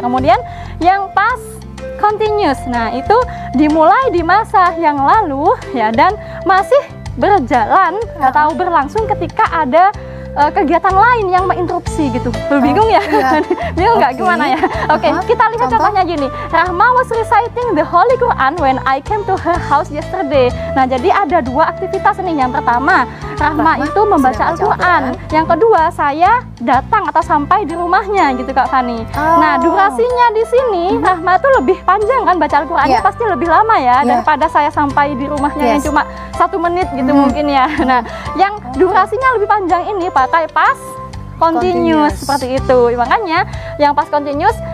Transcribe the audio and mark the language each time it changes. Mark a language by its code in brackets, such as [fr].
[id] Kemudian yang past continuous, nah itu dimulai di masa yang lalu ya dan masih berjalan atau berlangsung ketika ada kegiatan lain yang menginterupsi gitu. Bingung ya? Bingung nggak gimana ya? Oke, kita lihat contohnya gini. [en] Rahma was reciting the Holy Quran when I came to her house yesterday. [id] Nah, jadi ada dua aktivitas nih. Yang pertama, Rahma itu membaca Al-Quran. Yang kedua, saya datang atau sampai di rumahnya gitu Kak Fani. Nah, durasinya di sini Rahma tuh lebih panjang kan baca Al-Qurannya pasti lebih lama ya daripada saya sampai di rumahnya yang cuma 1 menit gitu mungkin ya. Nah, yang durasinya lebih panjang ini pakai past continuous seperti itu. Makanya yang past continuous